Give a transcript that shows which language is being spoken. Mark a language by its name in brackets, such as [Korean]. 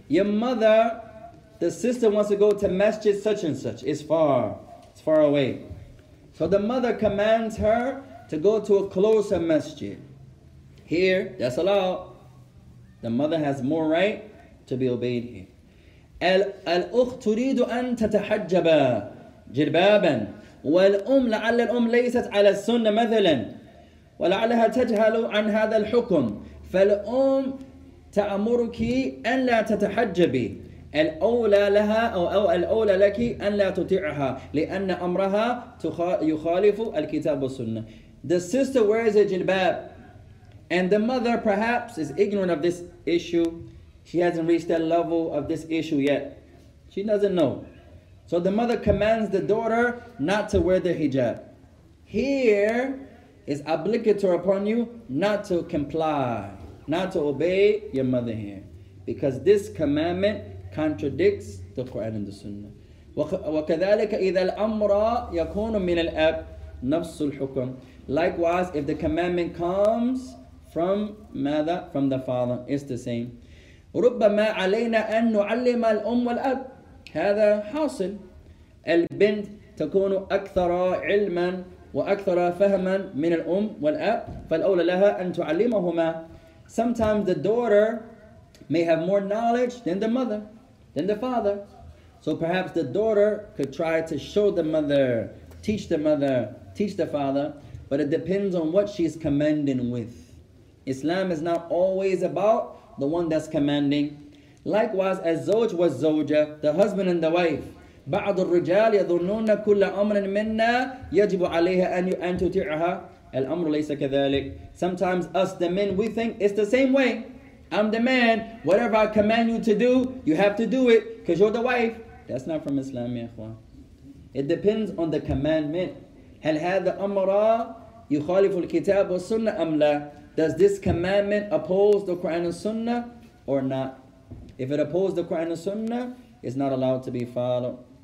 [English] Your mother, the sister wants to go to masjid such and such. It's far away. So the mother commands her to go to a closer masjid. Here, that's allowed. The mother has more right to be obeyed here. [Arabic] الأخت تريد أن تتحجب جلبابا والأم لعل الأم ليست على السنة مثلا ولعلها تجهل عن هذا الحكم فالأم تأمرك أن لا تتحجبي الأولى لها أو الأولى لك أن لا تطيعها لأن أمرها يخالف الكتاب والسنة. [English] The sister wears a jilbab, and the mother perhaps is ignorant of this issue. She hasn't reached that level of this issue yet. She doesn't know. So the mother commands the daughter not to wear the hijab. Here is obligatory upon you not to comply, not to obey your mother here, because this commandment contradicts the Quran and the Sunnah. [Arabic] وَكَذَلِكَ إِذَا الْأَمْرَ يَكُونُ مِنَ الْأَبْ نَفْسُ الْحُكُمْ. [English] Likewise, if the commandment comes from ماذا? From the father, it's the same. [Arabic] رُبَّمَا عَلَيْنَا أَن نُعَلِّمَ الْأُمْ وَالْأَبْ. هذا حاصل. البنت تكون أكثر علما وأكثر فهما من الأم والأب فالأولى لها أن تعلمهما. [English] Sometimes the daughter may have more knowledge than the mother, than the father. So perhaps the daughter could try to show the mother, teach the mother, teach the father. But it depends on what she's commanding with. Islam is not always about the one that's commanding. Likewise, as zawj was zawja, the husband and the wife. [Arabic] بعض الرجال يظنون كل أمر منا يجب عليها أن تطيعها. الأمر ليس كذلك. [English] Sometimes us, the men, we think it's the same way. I'm the man. Whatever I command you to do, you have to do it because you're the wife. That's not from Islam, ya akhwan. It depends on the commandment. [Arabic] هل هذا أمر يخالف الكتاب والسنة أم لا? [English] Does this commandment oppose the Quran and Sunnah or not? If it opposes the Quran and Sunnah, it's not allowed to be followed.